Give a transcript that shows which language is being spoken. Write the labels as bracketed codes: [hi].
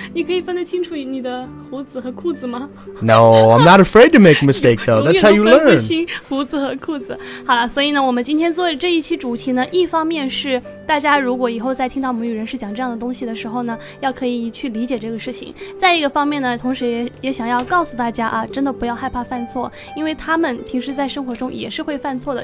[zh] 你可以分得清楚你的胡子和裤子吗? [en] No, I'm not afraid to make a mistake, though. That's how you learn. [zh] 永远都分不清胡子和裤子。好了，所以呢，我们今天做的这一期主题呢，一方面是大家如果以后再听到母语人士讲这样的东西的时候呢，要可以去理解这个事情。再一个方面呢，同时也想要告诉大家啊，真的不要害怕犯错，因为他们平时在生活中也是会犯错的。